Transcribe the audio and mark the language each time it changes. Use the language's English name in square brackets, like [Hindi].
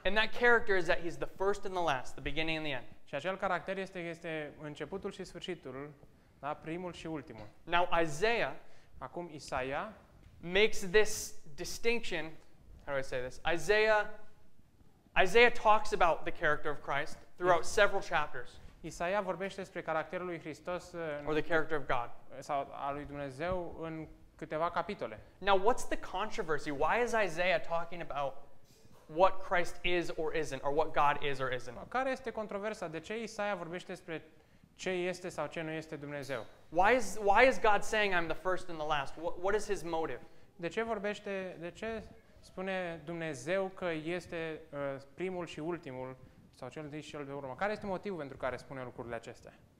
[English] And that character is that he's the first and the last, the beginning and the end. [Romanian] Și acel caracter este că este începutul și sfârșitul, da, primul și ultimul. [English] Now Isaiah, [Romanian] acum Isaia, [English] makes this distinction. How do I say this? Isaiah talks about the character of Christ throughout several chapters. [Romanian] Isaia vorbește despre caracterul lui Hristos [English] or the character of God. [Romanian] Sau al lui Dumnezeu în câteva capitole. [English] Now what's the controversy? Why is Isaiah talking about what Christ is or isn't, or what God is or isn't? [Romanian] Care este controversa? De ce Isaia vorbește despre ce este sau ce nu este Dumnezeu? [English] Why is God saying I'm the first and the last? What is his motive? [Romanian] De ce spune Dumnezeu că este primul și ultimul sau cel din cel de urmă? Care este motivul pentru care spune lucrurile acestea?